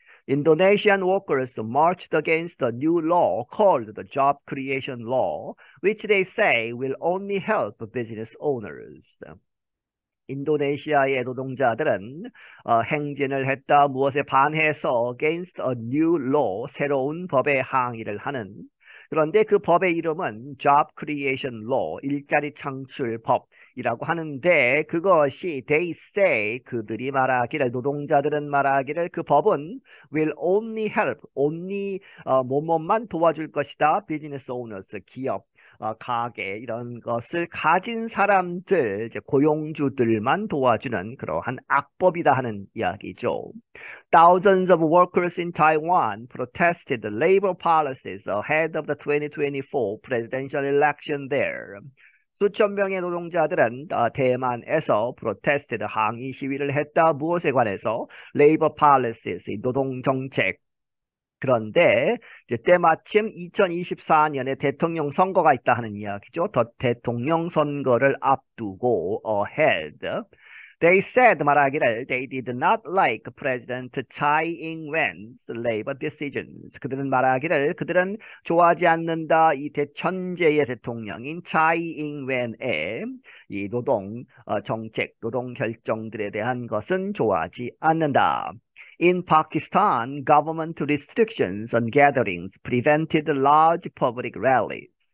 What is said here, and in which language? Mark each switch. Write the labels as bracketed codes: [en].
[en] Indonesian workers marched against a new law called the Job Creation Law, which they say will only help business owners. [ko] 인도네시아의 노동자들은 행진을 했다. 무엇에 반해서? [en] Against a new law, [ko] 새로운 법에 항의를 하는. 그런데 그 법의 이름은 Job Creation Law, 일자리 창출법. 이라고 하는데 그것이 [en] they say [ko] 그들이 말하기를 노동자들은 말하기를 그 법은 [en] will only help only [ko] 뭐뭐만 도와줄 것이다. [en] business owners [ko] 기업 가게 이런 것을 가진 사람들 이제 고용주들만 도와주는 그러한 악법이다 하는 이야기죠. [en] Thousands of workers in Taiwan protested the labor policies ahead of the 2024 presidential election there. [ko] 수천 명의 노동자들은 대만에서 프로테스트 항의 시위를 했다. 무엇에 관해서? [en] Labor policies, [ko] 노동 정책. 그런데 이제 때마침 2024년에 대통령 선거가 있다 하는 이야기죠. 더 대통령 선거를 앞두고 ahead. [en] They said [ko] 말하기를 [en] they did not like President Tsai Ing-wen's labor decisions. [ko] 그들은 말하기를 그들은 좋아하지 않는다. 이 현재의 대통령인 차이 잉웬의 이 노동 정책, 노동 결정들에 대한 것은 좋아하지 않는다. [en] In Pakistan, government restrictions on gatherings prevented large public rallies.